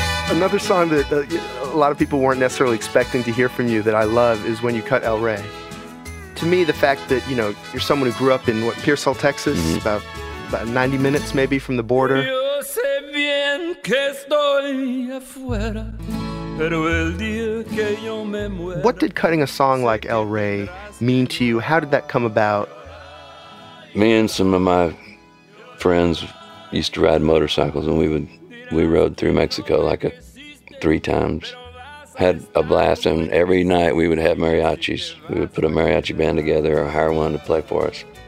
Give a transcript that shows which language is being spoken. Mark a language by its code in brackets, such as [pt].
[en] Another song that a lot of people weren't necessarily expecting to hear from you that I love is When You Cut El Rey. To me, the fact that, you know, you're someone who grew up in, what, Pearsall, Texas, mm-hmm. about 90 minutes maybe from the border. [es] Yo sé bien que estoy afuera, pero el día que yo me muera. [en] What did cutting a song like El Rey mean to you? How did that come about? Me and some of my friends used to ride motorcycles, and we rode through Mexico like three times. Had a blast, and every night we would have mariachis. We would put a mariachi band together or hire one to play for us.